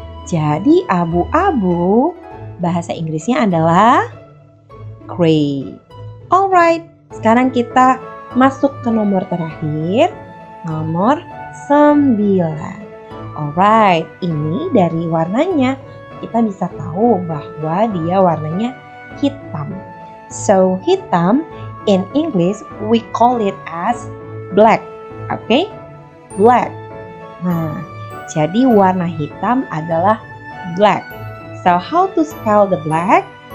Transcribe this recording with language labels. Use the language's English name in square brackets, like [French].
[Indonesian] Jadi abu-abu bahasa Inggrisnya adalah gray. Alright, sekarang kita masuk ke nomor terakhir, nomor 9. Alright, ini dari warnanya kita bisa tahu bahwa dia warnanya hitam. [English] So, hitam in English we call it as black. Okay? Black. [Indonesian] Nah, jadi warna hitam adalah black. [English] So, how to spell the black?